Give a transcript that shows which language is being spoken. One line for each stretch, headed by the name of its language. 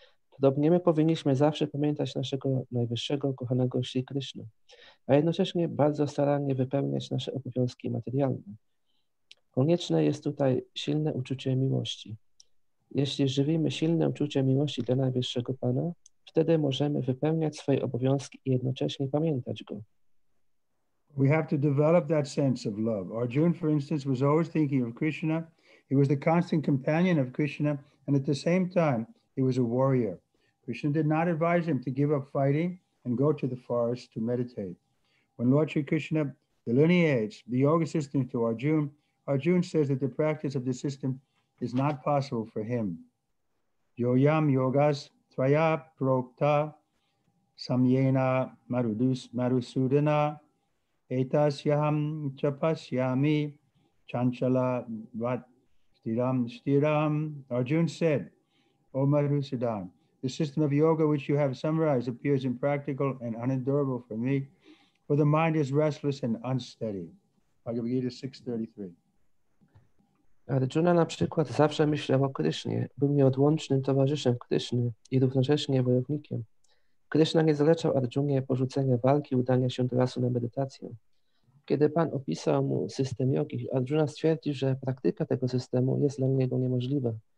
Polish: Podobnie my powinniśmy zawsze pamiętać naszego najwyższego, kochanego Śri Krishna, a jednocześnie bardzo starannie wypełniać nasze obowiązki materialne. Konieczne jest tutaj silne uczucie miłości. Jeśli żywimy silne uczucie miłości dla najwyższego Pana, wtedy możemy wypełniać swoje obowiązki i jednocześnie pamiętać Go.
English: We have to develop that sense of love. Arjuna, for instance, was always thinking of Krishna. He was the constant companion of Krishna, and at the same time, he was a warrior. Krishna did not advise him to give up fighting and go to the forest to meditate. When Lord Sri Krishna delineates the yoga system to Arjuna, Arjuna says that the practice of the system is not possible for him.
Sanskrit: Yoyam yogas traya prokta samyena marusudana etasyaham chapasyami chanchala vat stiram stiram.
English: Arjuna said, O Madhusudan, the system of yoga which you have summarized appears impractical and unendurable for me, for the mind is restless and unsteady. Bhagavad Gita 6:33.
Polish: Arjuna na przykład zawsze myślał o Krishnie, był nieodłącznym towarzyszem Krishny i równocześnie wojownikiem. Krishna nie zalecał Arjunie porzucenia walki i udania się do lasu na medytację. Kiedy Pan opisał mu system jogi, Arjuna stwierdził, że praktyka tego systemu jest dla niego niemożliwa.